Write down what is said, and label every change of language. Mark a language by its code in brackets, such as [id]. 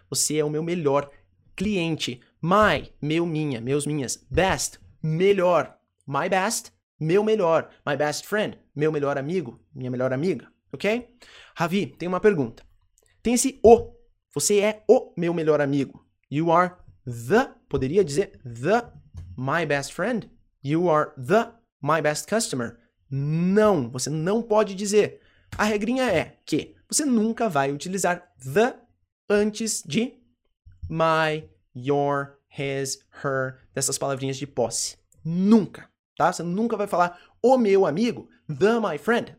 [pt] Você é o meu melhor cliente. My, meu, minha, meus, minhas. Best, melhor. [en] My best, [pt] meu melhor. [en] My best friend, [pt] meu melhor amigo, minha melhor amiga. Ok? Javi, tem uma pergunta. Tem esse o. Você é o meu melhor amigo. [en] You are the, [pt] poderia dizer [en] the, my best friend. You are the, my best customer. [pt] Não, você não pode dizer. A regrinha é que você nunca vai utilizar the antes de my, your, his, her, dessas palavrinhas de posse. Nunca, tá? Você nunca vai falar o meu amigo, [en] the, my friend.